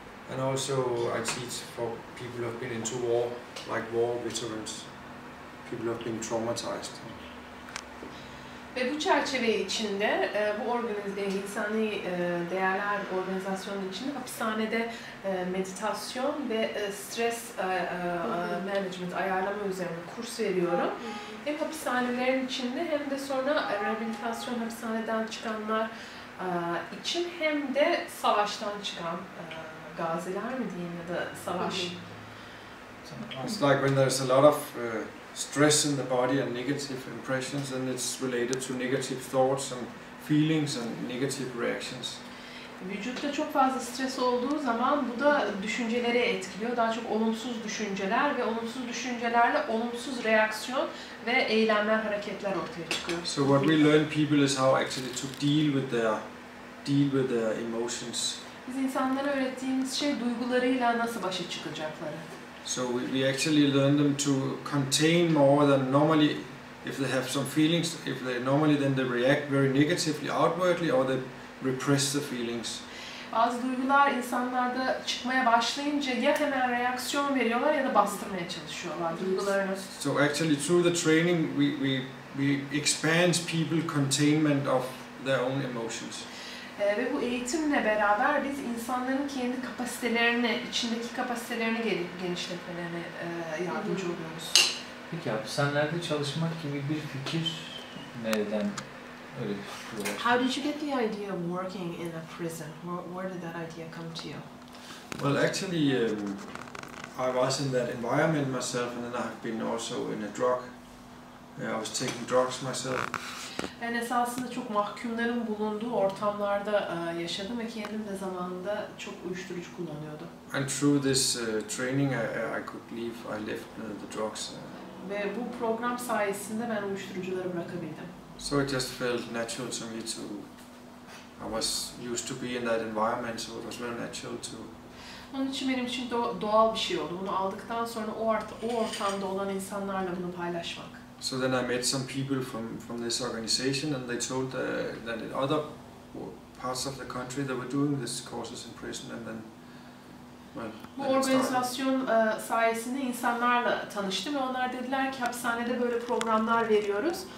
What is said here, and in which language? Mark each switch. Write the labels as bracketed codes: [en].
[en] And also, I teach for people who have been into war, like war veterans, people who have been traumatized. [tr] Ve bu çerçeve içinde, bu insani değerler organizasyonu içinde hapishanede meditasyon ve stres management ayarlama üzerine kurs veriyorum. Hem hapishanelerin içinde hem de sonra rehabilitasyon hapishaneden çıkanlar için hem de savaştan çıkan gaziler mi diyeyim ya da savaş. [en] It's like when there's a lot of stress in the body and negative impressions, and it's related to negative thoughts and feelings and negative reactions. [tr] Vücutta çok fazla stres olduğu zaman bu da düşünceleri etkiliyor. Daha çok olumsuz düşünceler ve olumsuz düşüncelerle olumsuz reaksiyon ve eylemler, hareketler ortaya çıkıyor. [en] So what we learn people is how actually to deal with their emotions. [tr] Biz insanlara öğrettiğimiz şey duygularıyla nasıl başa çıkacakları. [en] So we actually learn them to contain more than normally. If they have some feelings, if they normally then they react very negatively outwardly or they repress the feelings. [tr] Bazı duygular insanlarda çıkmaya başlayınca ya hemen reaksiyon veriyorlar ya da bastırmaya çalışıyorlar duygularını. [en] So actually through the training we expand people containment of their own emotions. [tr] Ve bu eğitimle beraber biz insanların kendi kapasitelerini, içindeki kapasitelerini genişletmelerine yardımcı oluyoruz. Peki hapishanelerde çalışmak gibi bir fikir nereden öyle bir fikir var? [en] How did you get the idea of working in a prison? Where did that idea come to you? Well, actually, I was in that environment myself, and then I've been also in a drug. Yeah, I was taking drugs myself. [tr] Ben esasında çok mahkumların bulunduğu ortamlarda yaşadım ve kendim de zamanında çok uyuşturucu kullanıyordum. [en] And through this training I left the drugs. [tr] Ve bu program sayesinde ben uyuşturucuları bırakabildim. [en] So it just felt natural to me to I was used to be in that environment, so it was very natural to. [tr] Onun için benim için doğal bir şey oldu. Bunu aldıktan sonra o ortamda olan insanlarla bunu paylaşmak. [en] So then I met some people from this organization, and they told that in other parts of the country they were doing these courses in prison, and then [tr] bu organizasyon sayesinde insanlarla tanıştım ve onlar dediler ki hapishanede böyle programlar veriyoruz.